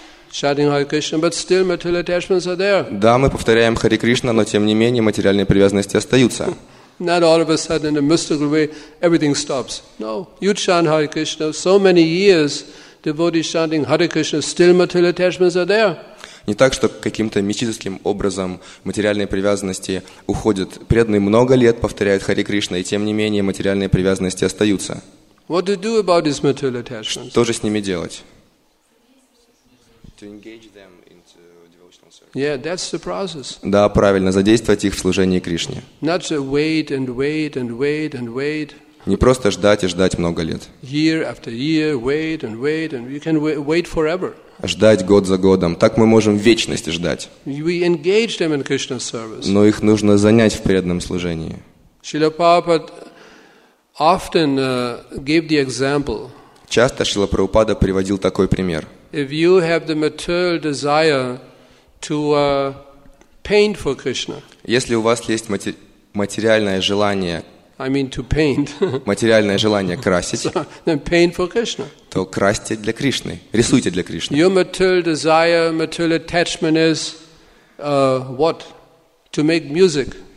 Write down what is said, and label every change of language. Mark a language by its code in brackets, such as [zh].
[en] Chanting Hare Krishna, but still material attachments are there. [ru] Да, мы повторяем Хари Кришна, но тем не менее материальные привязанности остаются. [en] Not all of a sudden in a mystical way everything stops. No, you chant Hare Krishna so many years, devotees chanting Hare Krishna, still material attachments are there. [ru] Не так, что каким-то мистическим образом материальные привязанности уходят. Преданный много лет повторяет Хари Кришна, и тем не менее материальные привязанности остаются. [en] What to do about these material attachments? [ru] Что же с ними делать? [en] To engage them into devotional service. Yeah, that's the process. [ru] Да, правильно, задействовать их в служении Кришне. [en] Not to wait and wait and wait and wait. [ru] Не просто ждать и ждать много лет. [en] Year after year, wait and wait, and you can wait forever. [ru] Ждать год за годом. Так мы можем вечность ждать. [en] We engage them in Krishna's service. [ru] Но их нужно занять в преданном служении. [en] Srila Prabhupada often gave the example. [ru] Часто Шрила Прабхупада приводил такой пример. [en] If you have the material desire to paint for Krishna. [ru] Если у вас есть материальное желание. [en] I mean to paint. [ru] Материальное желание красить. [en] So, then paint for Krishna. [ru] То красьте для Кришны, рисуйте для Кришны. [en] Your material desire, material attachment is what? To make music.